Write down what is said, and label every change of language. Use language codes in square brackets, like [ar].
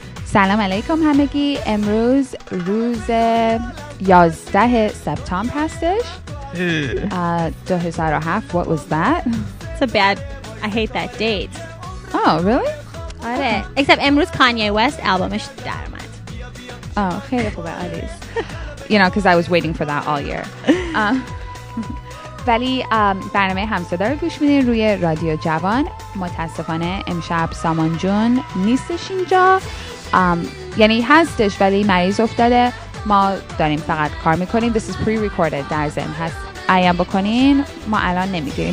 [fa] سلام علیکم همگی، امروز روز 11 سپتامبر هستش. [en] 2007. What was that? It's a bad. I hate that date. Oh, really? [fa] آره. [en] Except [fa] امروز کانیه وست آلبومش در اومد. Oh, خیلی خوبه آلیس. [en] You know, because I was waiting for that all year. [fa] ولی برنامه همصدا رو گوش میدین روی رادیو جوان. متاسفانه امشب سامان جون نیستش اینجا. یعنی هستش ولی مریض افتاده. ما داریم فقط کار میکنیم. [en] This is pre-recorded. [fa] در ضمن هست ایام بکنین. ما الان نمیگیریم.